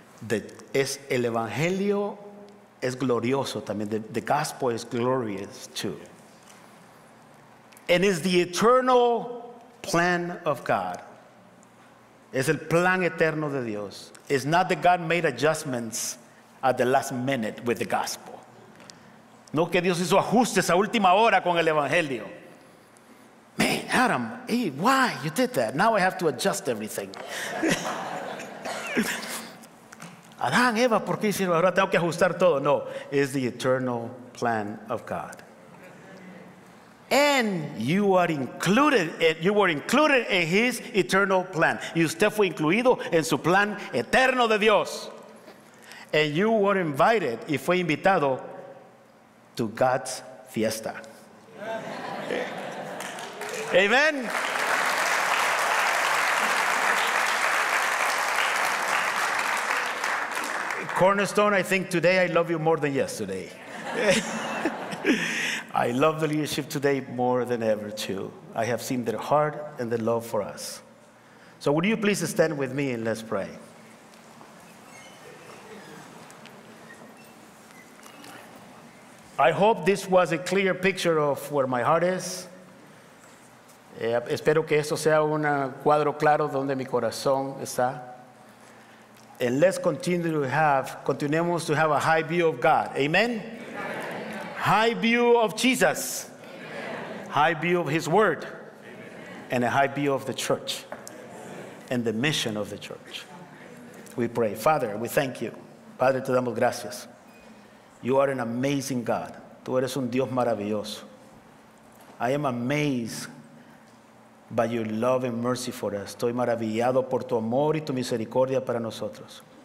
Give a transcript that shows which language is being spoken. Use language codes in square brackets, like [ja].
[es] El evangelio es glorioso también. [en] The gospel is glorious too. And it's the eternal plan of God. [es] Es el plan eterno de Dios. [en] It's not that God made adjustments at the last minute with the gospel. [es] No que Dios hizo ajustes a última hora con el evangelio. [en] Man, Adam, hey, why you did that? Now I have to adjust everything. [es] Adán, Eva, ¿por qué hicieron? Ahora tengo que ajustar todo. [en] No, it's the eternal plan of God. And you were included in his eternal plan. [es] Y usted fue incluido en su plan eterno de Dios. [en] And you were invited, [es] y fue invitado, [en] to God's fiesta. Amen. Cornerstone, I think today I love you more than yesterday. I love the leadership today more than ever too. I have seen their heart and their love for us. So would you please stand with me and let's pray. I hope this was a clear picture of where my heart is. [es] Espero que esto sea un cuadro claro donde mi corazón está. [en] And let's continuemos to have a high view of God. Amen? Amen. High view of Jesus. Amen. High view of his word. Amen. And a high view of the church. Amen. And the mission of the church. We pray. Father, we thank you. [es] Padre, te damos gracias. [en] You are an amazing God. [es] Tú eres un Dios maravilloso. [en] I am amazed by your love and mercy for us. [es] Estoy maravillado por tu amor y tu misericordia para nosotros.